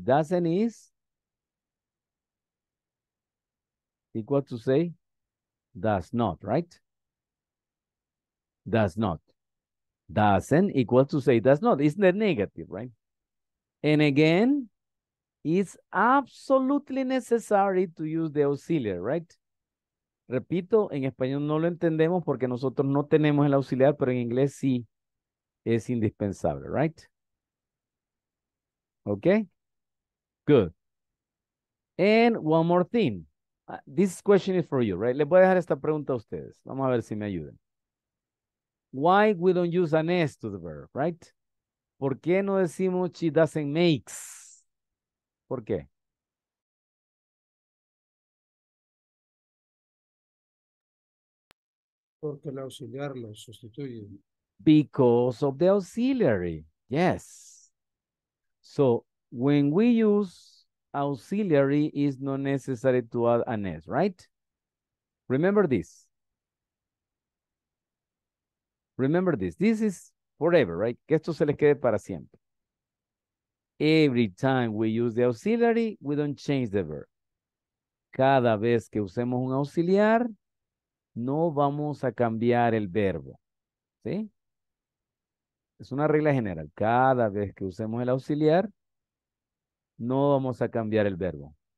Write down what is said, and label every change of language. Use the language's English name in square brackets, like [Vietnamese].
[English] Doesn't is equal to say does not, right? Does not. Doesn't equal to say does not. Isn't that negative, right? And again, it's absolutely necessary to use the auxiliary, right? [Spanish] Repito, en español no lo entendemos porque nosotros no tenemos el auxiliar, pero en inglés sí es indispensable, right? [English] Okay? Good. And one more thing. This question is for you, right? [Spanish] Les voy a dejar esta pregunta a ustedes. Vamos a ver si me ayudan. [English] Why we don't use an S to the verb, right? [Spanish] ¿Por qué no decimos [English] she doesn't makes? [Spanish] ¿Por qué? Porque el auxiliar lo sustituye. [English] Because of the auxiliary, yes. So, when we use auxiliary, it's not necessary to add an S, right? Remember this. Remember this. This is forever, right? [Spanish] Que esto se les quede para siempre. [English] Every time we use the auxiliary, we don't change the verb. [Spanish] Cada vez que usemos un auxiliar, no vamos a cambiar el verbo. ¿Sí? Es una regla general. Cada vez que usemos el auxiliar, no vamos a cambiar el verbo.